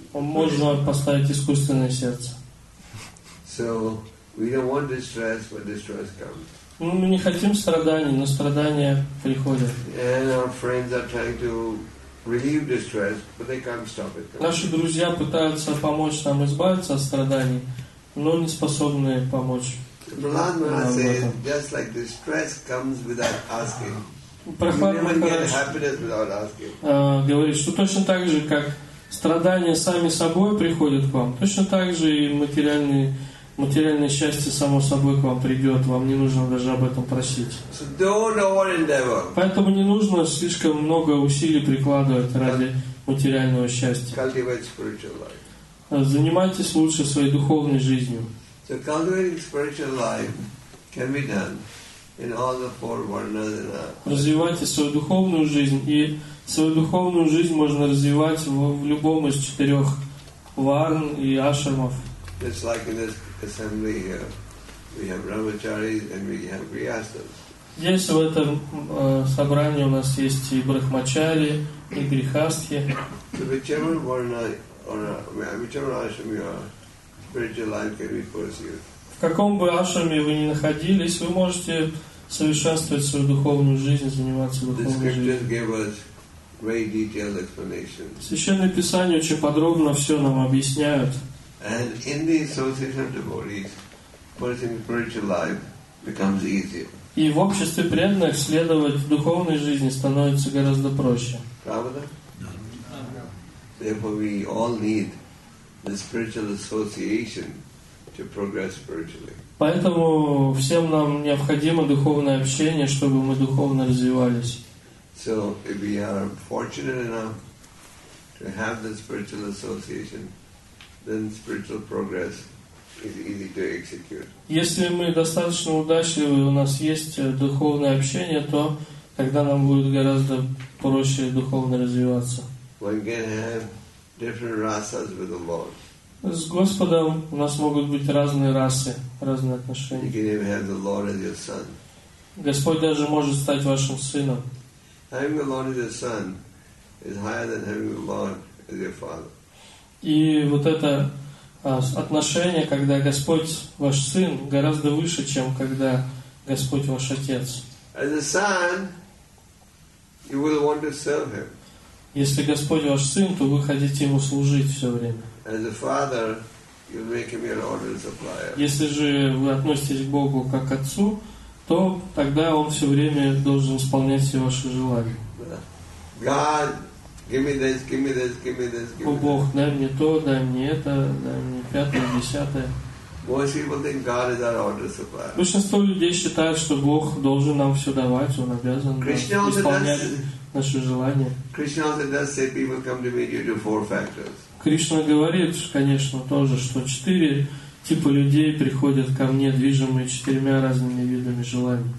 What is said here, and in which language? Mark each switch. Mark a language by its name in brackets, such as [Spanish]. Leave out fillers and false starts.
[Russian] Можно поставить искусственное сердце. [English] So we don't want distress, but distress comes. [Russian] Ну, мы не хотим страданий, но страдания приходят. [English] And our friends are trying to relieve distress, but they can't stop it. [Russian] Наши друзья пытаются помочь нам избавиться от страданий, но не способны помочь. [English] Prahlad Maharaj says, just like distress comes without asking. [Russian] Prahlad Maharaj говорит, что точно так же, как страдания сами собой приходят к вам. Точно так же и материальное счастье само собой к вам придет. Вам не нужно даже об этом просить. [English] So don't over-endeavor. [Russian] Поэтому не нужно слишком много усилий прикладывать ради материального счастья. [English] Cultivate spiritual life. [Russian] Занимайтесь лучше своей духовной жизнью. [English] So cultivating spiritual life can be done in all the four vernas in our... [Russian] Развивайте свою духовную жизнь и свою духовную жизнь можно развивать в любом из четырех варн и ашрамов. [English] Just like in this assembly here, we have brahmacharis and we have grihastas. [Russian] Здесь в этом собрании у нас есть и брахмачари, и грихастхи. [English] So whichever varna or whichever ashram you are, spiritual life can be pursued. [Russian] В каком бы ашраме вы ни находились, вы можете совершенствовать свою духовную жизнь, заниматься духовной жизнью. [English] Great detailed explanation. [Russian] Священное Писание очень подробно все нам объясняют. [English] And in the association of devotees, pursuing spiritual life becomes easier. [Russian] И в обществе преданных следовать духовной жизни становится гораздо проще. Правда? [English] Therefore, we all need the spiritual association to progress spiritually. [Russian] Поэтому всем нам необходимо духовное общение, чтобы мы духовно развивались. [English] So if we are fortunate enough to have the spiritual association, then spiritual progress is easy to execute. [Russian] Если мы достаточно удачливы, у нас есть духовное общение, то тогда нам будет гораздо проще духовно развиваться. [English] We can have different rasas with the Lord. [Russian] С Господом у нас могут быть разные расы, разные отношения. [English] You can even have the Lord as your son. [Russian] Господь даже может стать вашим сыном. [English] Having the Lord as your son is higher than having the Lord as your father. [Russian] И вот это отношение, когда Господь ваш сын, гораздо выше, чем когда Господь ваш отец. [English] As a son, you will want to serve him. [Russian] Если Господь ваш сын, то вы хотите ему служить все время. [English] As a father, you make him your order supplier. [Russian] Если же вы относитесь к Богу как к отцу, то тогда он все время должен исполнять все ваши желания. [English] God, give me this, give me this, give me this, give me this. [Russian] О Бог, дай мне то, дай мне это, дай мне пятое, десятое. [English] Most people think God is our order supplier. [Russian] Большинство людей считают, что Бог должен нам все давать, он обязан исполнять наши желания. [English] Krishna also does say people come to me due to four factors. [Russian] Кришна говорит, конечно, тоже, что четыре типа людей приходят ко мне, движимые четырьмя разными видами желаний.